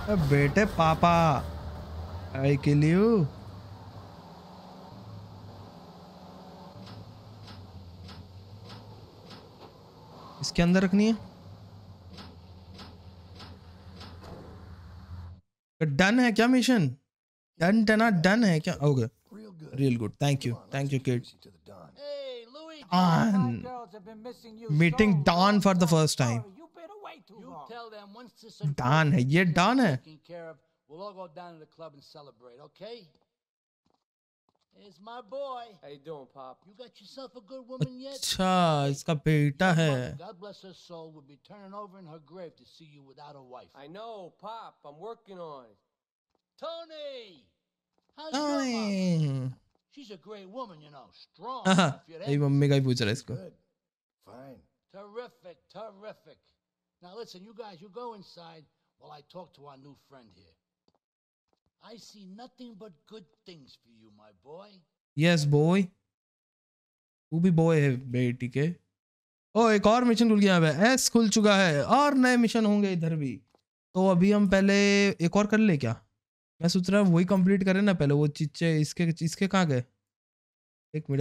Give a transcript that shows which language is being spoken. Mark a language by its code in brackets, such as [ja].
[hi] बेटे पापा [en] I kill you, [hi] इसके अंदर रखनी है, डन है क्या मिशन? डन है क्या? [en] Okay real good. Thank you kid. Meeting don for the first time. [hi] Don है, ये डॉन है. [en] We'll all go down to the club and celebrate, okay? It's my boy. How you doing, Pop? You got yourself a good woman yet? [hi] अच्छा, इसका बेटा है. [en] God bless her soul. We'll be turning over in her grave to see you without a wife. I know, Pop. I'm working on it. Tony, how's your mom? She's a great woman, you know, strong. [hi] ये mummy का ही पूछ रहा है इसको. [en] Fine. Terrific, terrific. Now listen, you guys, you go inside while I talk to our new friend here. I see nothing but good things for you, my boy. Yes, boy. [hi] वो भी boy है बेटी के. ओ, एक और mission खुल गया है. S खुल चुका है. और नए मिशन होंगे इधर भी. तो अभी हम पहले एक और कर ले क्या? मैं सोच रहा वही कंप्लीट करें ना पहले. वो चिच्चे इसके इसके कहाँ गए? एक मिनट.